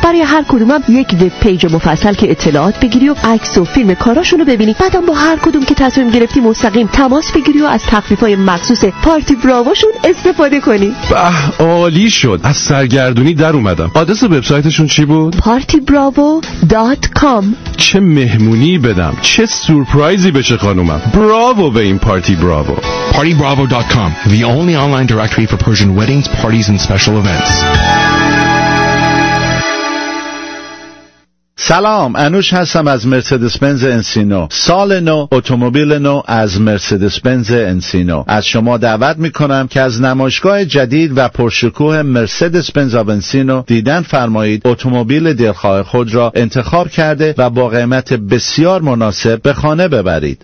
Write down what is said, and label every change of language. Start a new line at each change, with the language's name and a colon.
Persian: برای هر کدومم یک وب پیج مفصل که اطلاعات بگیری و عکس و فیلم کاراشونو ببینی، بعدم با هر کدوم که تصمیم گرفتی مستقیم تماس بگیری و از تخفیف‌های مخصوص پارتی براواشون استفاده کنی. به عالی شد، از سرگردونی در اومدم. آدرس وبسایتشون چی بود؟ partybravo.com. چه مهمونی بدم، چه سورپرایزی بشه خانومم. براو به این پارتی براو.
English: partybravo.com, the only online directory for Persian weddings, parties and special events.
Persian: سلام، انوش هستم از مرسدس بنز انسینو. سال نو، اتومبیل نو از مرسدس بنز انسینو. از شما دعوت میکنم که از نمایشگاه جدید و پرشکوه مرسدس بنز آو انسینو دیدن فرمایید، اتومبیل دلخواه خود را انتخاب کرده و با قیمت بسیار مناسب به خانه ببرید.